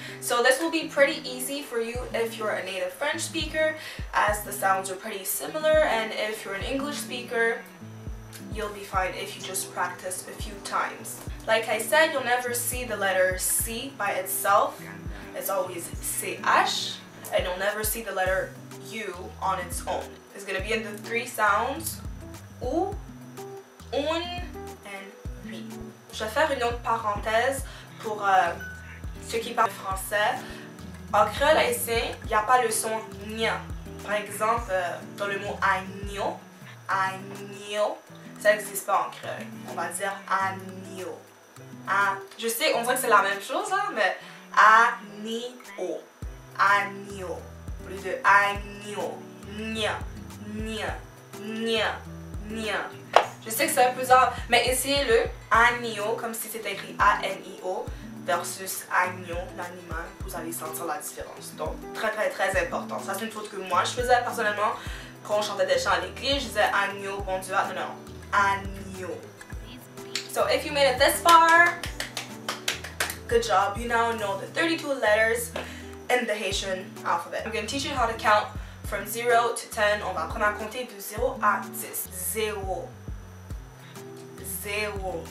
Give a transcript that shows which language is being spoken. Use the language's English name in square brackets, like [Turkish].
[English] So this will be pretty easy for you if you're a native French speaker, as the sounds are pretty similar, and if you're an English speaker, you'll be fine if you just practice a few times. Like I said, you'll never see the letter C by itself. It's always CH, and you'll never see the letter U on its own. It's gonna be in the three sounds, U, UN, and UI. [French] Je vais faire une autre parenthèse pour ceux qui parlent français. En créole haïtien, il n'y a pas le son nia. Par exemple, dans le mot agneau, agneau, ça n'existe pas en créole. On va dire agneau. Ah, je sais, on dirait que c'est la même chose, hein, mais A-ni-o. A-ni-o. Plus de A-ni-o. Nya, nya, nya, nya. Je sais que c'est un peu bizarre, mais essayez-le. A-ni-o, comme si c'était écrit A-N-I-O, versus agneau, l'animal, vous allez sentir la différence. Donc, très, très, très important. Ça, c'est une faute que moi, je faisais personnellement. Quand on chantait des chants à l'église, je disais agneau, bon Dieu, non, non, agneau. [English] So, if you made it this far, good job. You now know the 32 letters in the Haitian alphabet. I'm going to teach you how to count from 0 to 10. [French] On va apprendre à compter de 0 à 10. 0. 0.